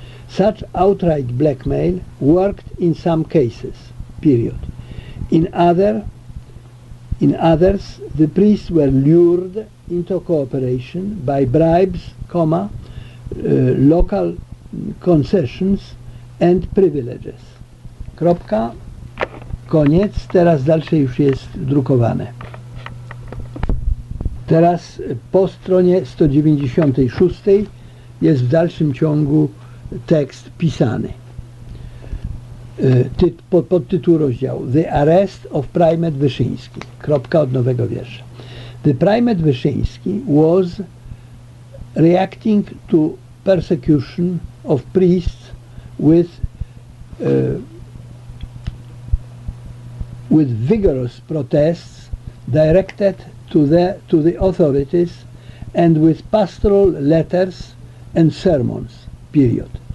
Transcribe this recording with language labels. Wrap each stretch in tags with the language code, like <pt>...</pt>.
<en>Such outright blackmail worked in some cases, period. In others, the priests were lured into cooperation by bribes, comma, local concessions and privileges.</en> <pl>Kropka. Koniec. Teraz dalsze już jest drukowane. Teraz po stronie 196. Jest w dalszym ciągu tekst pisany pod tytuł rozdziału</pl> <en>The Arrest of Primate Wyszyński,</en> <pl>kropka od nowego wiersza.</pl> <en>The Primate Wyszyński was reacting to persecution of priests with with vigorous protests directed to the authorities and with pastoral letters and sermons, period.</en>